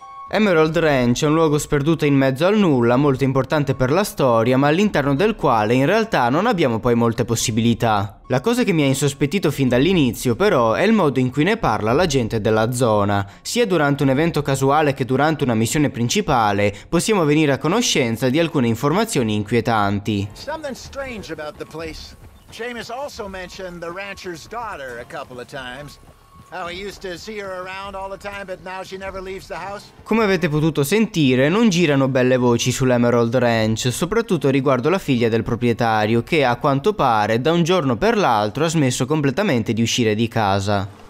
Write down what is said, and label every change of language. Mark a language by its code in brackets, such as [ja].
[it] Emerald Ranch è un luogo sperduto in mezzo al nulla, molto importante per la storia, ma all'interno del quale in realtà non abbiamo poi molte possibilità. La cosa che mi ha insospettito fin dall'inizio, però, è il modo in cui ne parla la gente della zona. Sia durante un evento casuale che durante una missione principale, possiamo venire a conoscenza di alcune informazioni inquietanti. [en] Something strange about the place. Seamus also mentioned the rancher's daughter a couple of times. Oh, he used to see her around all the time, but now she never leaves the house. [it] Come avete potuto sentire, non girano belle voci sull'Emerald Ranch, soprattutto riguardo la figlia del proprietario, che a quanto pare da un giorno per l'altro ha smesso completamente di uscire di casa.